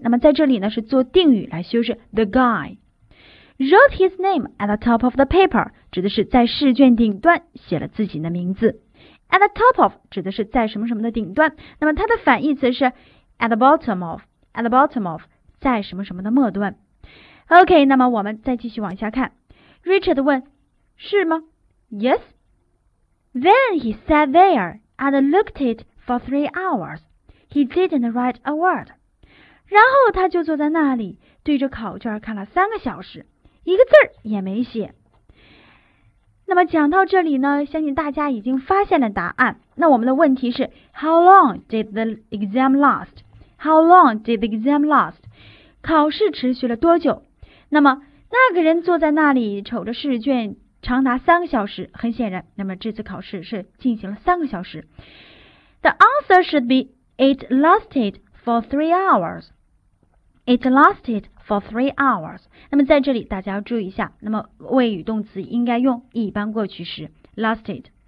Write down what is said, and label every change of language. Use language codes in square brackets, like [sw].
[zh] 那么在这里呢，是做定语来修饰 the guy。 [en] Wrote his name at the top of the paper [zh] 指的是在试卷顶端写了自己的名字。 At the top of 指的是在什么什么的顶端，那么它的反义词是 at the bottom of， at the bottom of 在什么什么的末端。 OK， 那么我们再继续往下看。 Richard 问，是吗？ [en] Yes。 Then he sat there and looked it for 3 hours. He didn't write a word. [zh] 然后他就坐在那里对着考卷看了3个小时，一个字儿也没写。那么讲到这里呢，相信大家已经发现了答案。那我们的问题是 [en] How long did the exam last? How long did the exam last? [zh] 考试持续了多久？那么那个人坐在那里瞅着试卷长达3个小时，很显然，那么这次考试是进行了3个小时。 [en] The answer should be It lasted for 3 hours. It lasted for 3 hours. [zh] 那么在这里大家要注意一下，那么谓语动词应该用一般过去时 lasted。